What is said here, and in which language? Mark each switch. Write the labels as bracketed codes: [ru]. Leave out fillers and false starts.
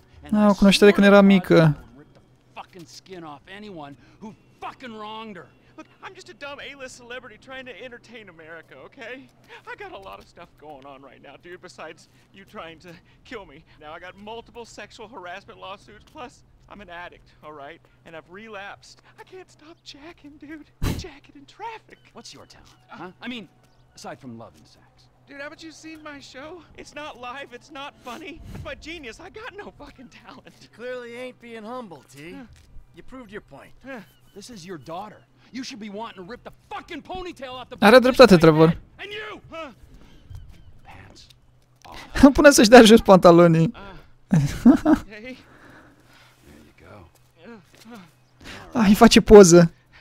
[ro] Nu, cunoștea de când era mică. [en] Fucking skin off anyone who fucking wronged her. Look, I'm just a dumb A-list celebrity trying to entertain America, okay? I got a lot of stuff going on right now, dude, besides you trying to kill me. Now I got multiple sexual harassment lawsuits, plus I'm an addict, all right? And I've relapsed. I can't stop jacking, dude. Jacking in traffic. What's your talent, huh? I mean, aside from love and sex. Dude, haven't you seen my show? It's not live, it's not funny. It's my genius, I got no fucking talent. You clearly ain't being humble, T. You proved your point. This is your daughter. You should be wanting to rip the fucking ponytail off the back of this guy's head. And you! Pants. [ro] Pune să-și dea jos pantalonii. [en] There you go. [ro] Ah, îi face poză.